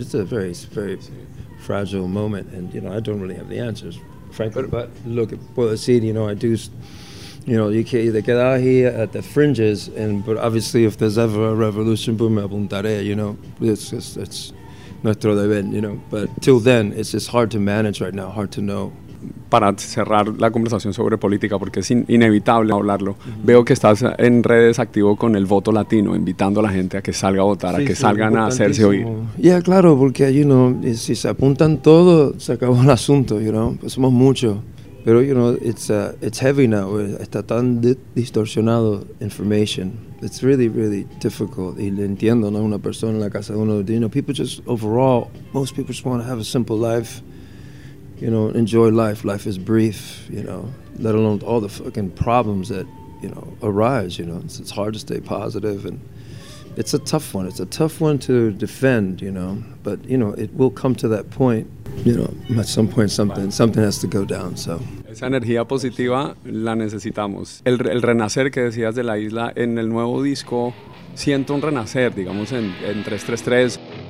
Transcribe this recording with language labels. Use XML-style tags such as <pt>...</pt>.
<en>It's a very, very fragile moment, and, I don't really have the answers, frankly. But look,</en> <es>puedo decir,</es> <en>I do... they get out here at the fringes, but obviously if there's ever a revolution, boom,</en> <es>me apuntaré,</es> <en>it's</en> <es>nuestro deber,</es> <en>But till then, it's just hard to manage right now, hard to know.</en> <es>Para cerrar la conversación sobre política, porque es inevitable hablarlo, mm-hmm. Veo que estás en redes activo con el voto latino, invitando a la gente a que salga a votar, salgan a hacerse oír.</es> <en>Yeah,</en> <es>claro, porque, si se apuntan todos, se acabó el asunto, Pues somos muchos. Pero,</es> <en>it's heavy now.</en> <es>Está tan distorsionado</es> <en>information. It's really, really difficult.</en> <es>Y le entiendo, ¿no? Una persona en la casa de uno.</es> <en>People just, overall, most people just want to have a simple life. Enjoy life. Life is brief, Let alone all the fucking problems that, arise, It's hard to stay positive. And it's a tough one. It's a tough one to defend, But, it will come to that point. At some point something has to go down, so.</en> <es>Esa energía positiva la necesitamos. El renacer que decías de la isla, en el nuevo disco siento un renacer, digamos, en 333.</es>